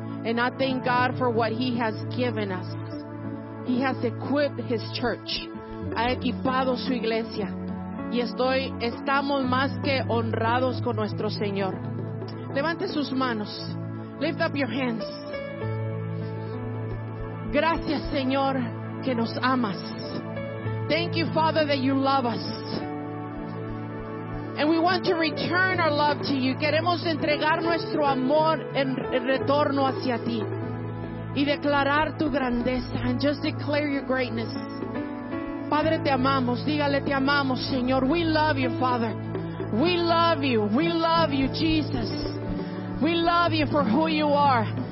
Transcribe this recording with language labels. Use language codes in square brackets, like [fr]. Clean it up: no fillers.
[en] And I thank God for what He has given us. He has equipped His church. [es] Ha equipado su iglesia. Y estamos más que honrados con nuestro Señor. Levante sus manos. [en] Lift up your hands. [es] Gracias, Señor, que nos amas. [en] Thank you, Father, that you love us. And we want to return our love to you. [es] Queremos entregar nuestro amor en retorno hacia ti. Y declarar tu grandeza. [en] And just declare your greatness. [es] Padre, te amamos. Dígale, te amamos, Señor. [en] We love you, Father. We love you. We love you, Jesus. We love you for who you are.